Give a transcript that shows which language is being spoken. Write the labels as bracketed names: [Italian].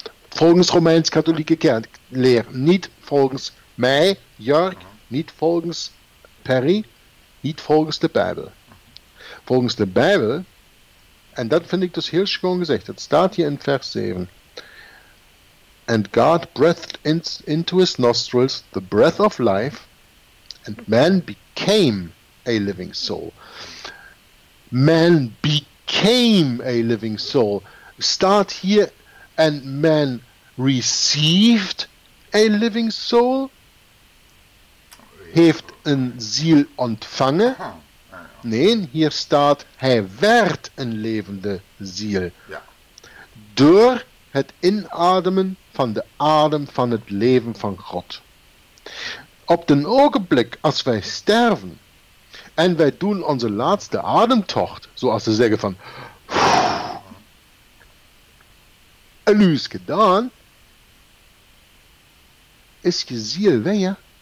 [Dutch] Volgens Romeins-Katholieke Kerk leer, niet volgens mij, Jörg, niet volgens Perry, niet volgens de Bijbel. Volgens de Bijbel, en dat vind ik dus heel schoon gezegd, het staat hier in vers 7. [English] And God breathed into his nostrils the breath of life, and man became a living soul. Man became a living soul. Start here, and man received a living soul. [Dutch] Heeft een ziel ontvangen? Nee, hier staat, hij werd een levende ziel. Ja. Door het inademen van de adem van het leven van God. Op den ogenblik, als wij sterven, en wij doen onze laatste ademtocht, zoals ze zeggen van, en nu is gedaan, is je ziel weg, ja?